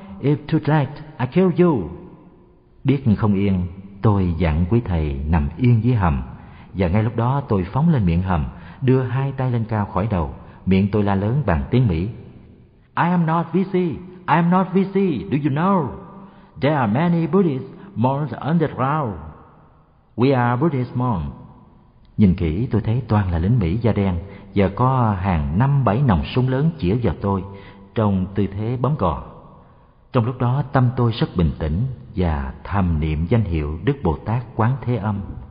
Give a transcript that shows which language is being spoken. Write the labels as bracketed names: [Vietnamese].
[English] If tonight I kill you!" [Vietnamese] Biết không yên, tôi dặn quý thầy nằm yên dưới hầm. Và ngay lúc đó tôi phóng lên miệng hầm, đưa hai tay lên cao khỏi đầu, miệng tôi la lớn bằng tiếng Mỹ, [English] "I am not VC! I am not VC! Do you know? There are many Buddhist monks underground. We are Buddhist monks." [Vietnamese] Nhìn kỹ tôi thấy toàn là lính Mỹ da đen và có hàng 5-7 nòng súng lớn chĩa vào tôi trong tư thế bấm cò. Trong lúc đó tâm tôi rất bình tĩnh và thầm niệm danh hiệu Đức Bồ Tát Quán Thế Âm.